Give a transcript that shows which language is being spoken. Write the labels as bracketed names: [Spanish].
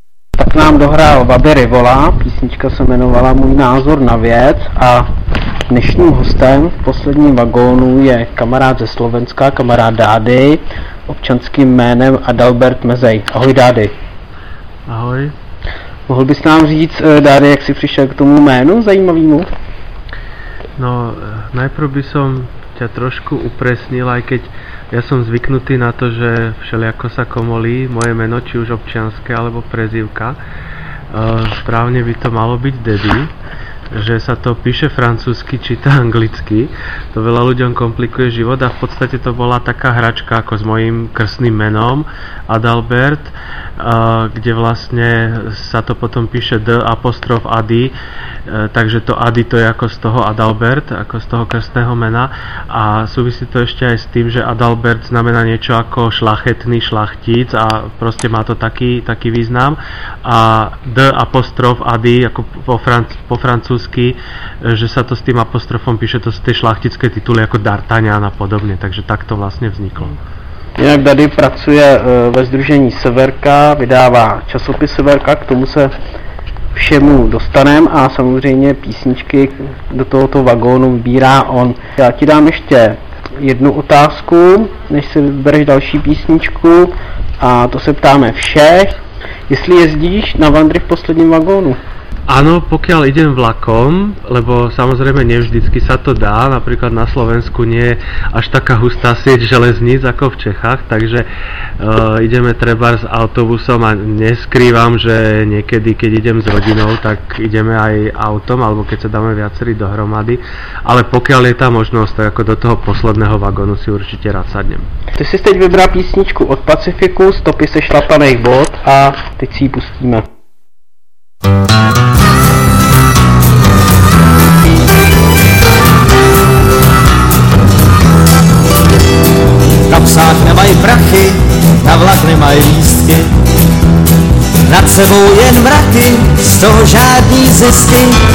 [Czech] Tak nám dohrál Vaby Rivola, písnička se jmenovala Můj názor na věc a dnešním hostem v posledním vagónu je kamarád ze Slovenska, kamarád Dády, občanským jménem Adalbert Mezej. Ahoj Dády. Ahoj. Mohl bys nám říct, Dády, jak jsi přišel k tomu jménu zajímavému? [Slovak] No, najprv by som ťa trošku upresnil, aj keď ja som zvyknutý na to, že všelijako sa komolí moje meno, či už občianske alebo prezývka. Správne by to malo byť Dedy, že sa to píše francúzsky, číta anglicky. To veľa ľuďom komplikuje život a v podstate to bola taká hračka ako s mojím krstným menom Adalbert, kde vlastne sa to potom píše D apostrof Adi, takže to Adi to je ako z toho Adalbert, ako z toho krstného mena, a súvisí to ešte aj s tým, že Adalbert znamená niečo ako šlachetný, šlachtic, a proste má to taký význam. A D apostrof Adi ako po francúzsky, že sa to s tým apostrofom píše, to sú tie šlachtické tituly ako D'Artagnan a podobne, takže tak to vlastne vzniklo. [Czech] Jinak Dady pracuje ve sdružení Severka, vydává časopis Severka, k tomu se všemu dostaneme, a samozřejmě písničky do tohoto vagónu vybírá on. Já ti dám ještě jednu otázku, než si vybereš další písničku, a to se ptáme všech. Jestli jezdíš na Vandry v posledním vagónu? [Slovak] Áno, pokiaľ idem vlakom, lebo samozrejme nevždycky sa to dá, napríklad na Slovensku nie je až taká hustá sieť železníc ako v Čechách, takže ideme trebárs s autobusom, a neskrývam, že niekedy, keď idem s rodinou, tak ideme aj autom, alebo keď sa dáme viacerí dohromady, ale pokiaľ je tá možnosť, tak ako do toho posledného vagónu si určite rád sadnem. [Czech] Ty si teď vybral písničku od Pacifiku, Stopy se šlapaných bod, a teď si ji pustíme. Kapsách nemají prachy, na vlak nemají lístky, nad sebou jen mraky, z toho žádný zisky.